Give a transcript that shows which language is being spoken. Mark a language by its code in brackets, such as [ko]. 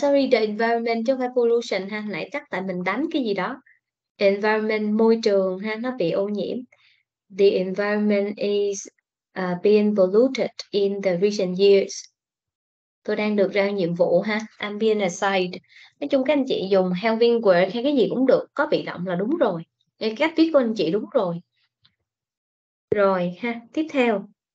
[vi] The environment chứ không phải pollution ha. Nãy chắc tại mình đánh cái gì đó. Environment, môi trường ha. Nó bị ô nhiễm. [en] The environment is being polluted in the recent years. [vi] Tôi đang được giao nhiệm vụ ha. [en] I'm being assigned. [vi] Nói chung các anh chị dùng having work hay cái gì cũng được. Có bị động là đúng rồi. Cách viết của anh chị đúng rồi. Rồi ha, tiếp theo.